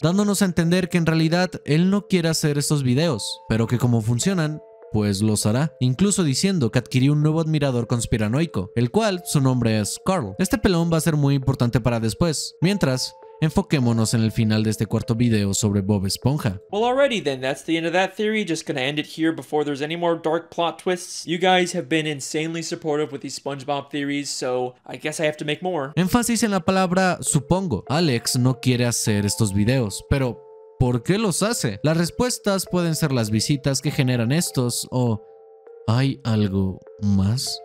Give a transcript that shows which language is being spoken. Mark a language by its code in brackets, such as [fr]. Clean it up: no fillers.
[es] Dándonos a entender que en realidad él no quiere hacer estos videos, pero que como funcionan, pues los hará, incluso diciendo que adquirió un nuevo admirador conspiranoico, el cual su nombre es Carl. Este pelón va a ser muy importante para después. Mientras, enfoquémonos en el final de este cuarto video sobre Bob Esponja. [en] Well, already then, that's the end of that theory. Just gonna end it here before there's any more dark plot twists. You guys have been insanely supportive with these SpongeBob theories, so I guess I have to make more. [es] Énfasis en la palabra supongo. Alex no quiere hacer estos videos, pero ¿por qué los hace? Las respuestas pueden ser las visitas que generan estos o ¿hay algo más?